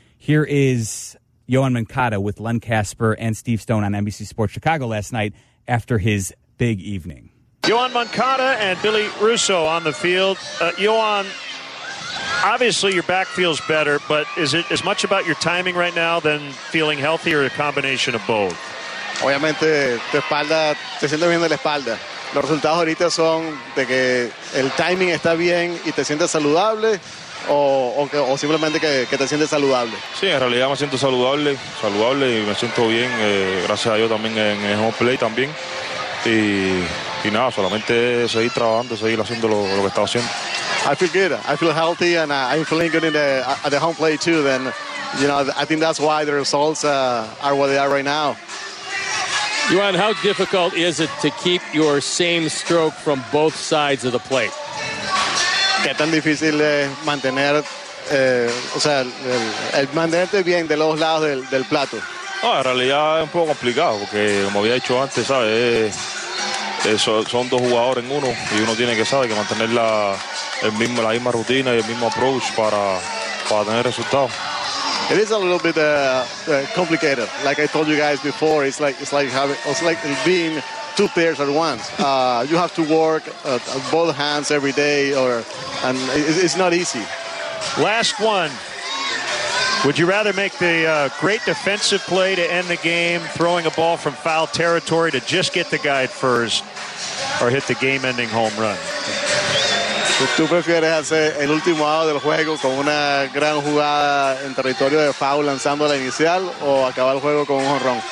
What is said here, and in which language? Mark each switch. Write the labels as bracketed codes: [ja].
[en] Here is Yoan Moncada with Len Casper and Steve Stone on NBC Sports Chicago last night after his big evening. Yoan Moncada and Billy Russo on the field. Yoan, obviously your back feels better, but is it as much about your timing right now than feeling healthy, or a combination of both? [es] Obviamente, tu espalda, te sientes bien de la espalda. Los resultados ahorita son de que el timing está bien y te sientes saludable, o simplemente que te sientes saludable. Sí, en realidad me siento saludable y me siento bien, gracias a Dios también en el home play también. Y nada, solamente seguir trabajando, seguir haciendo lo que estaba haciendo. [en] I feel good. I feel healthy and I'm feeling good at the home play too. Then, you know, I think that's why the results are what they are right now. Juan, how difficult is it to keep your same stroke from both sides of the plate? [es] ¿Qué tan difícil es mantener, o sea, el mantenerte bien de los lados del plato? No, en realidad es un poco complicado, porque como había dicho antes, ¿sabes? Son dos jugadores en uno, y uno tiene que saber que mantener la misma rutina y el mismo approach para tener resultados. [en] It is a little bit complicated. Like I told you guys before, it's like being two players at once. You have to work both hands every day, and it's not easy. Last one. Would you rather make the great defensive play to end the game, throwing a ball from foul territory to just get the guy at first, or hit the game-ending home run? [es] ¿Tú prefieres hacer el último out del juego con una gran jugada en territorio de foul lanzando la inicial o acabar el juego con un jonrón?